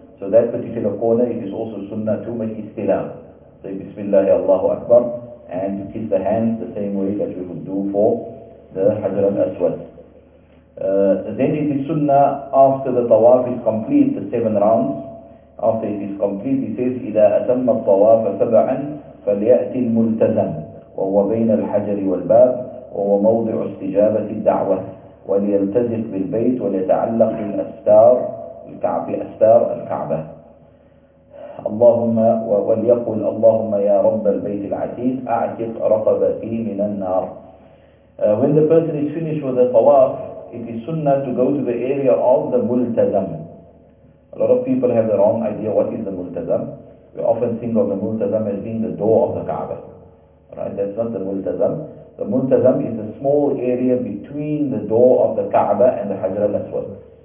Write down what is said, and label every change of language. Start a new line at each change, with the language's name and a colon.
English: So that particular corner, it is also sunnah to make istilam. Say Bismillah, Allahu Akbar, and to kiss the hands the same way that we would do for the Hajar al-Aswad. Then it is sunnah after the tawaf is complete, the seven rounds. After it is complete, he says,
Arabic: إِذَا أَتَمَّ الطَّوَافَ سَبْعًا فَلْيَأْتِ الْمُلْتَزَمُ وَهُوَ بَيْنَ الْحَجَرِ وَالْبَابِ وَهُوَ مَوْضِعُ اسْتِجَابَةِ الدَّعْوَةِ وَلْيَلْتَزِقْ بِالْبَيْتِ وَلْيَتَعَلَّقْ بِالْأَسْتَارِ الْكَعْبِ أَسْتَارِ الْكَعْبَةِ اللهم وليقل اللهم يا رب البيت العتيق أعتق رقبتي من النار.
English: When the person is finished with the tawaf, it is sunnah to go to the area of the multazam. A lot of people have the wrong idea what is the multazam. We often think of the multazam as being the door of the Kaaba. Right? That's not the multazam. The multazam is a small area between the door of the Kaaba and the Hajar al-Aswad.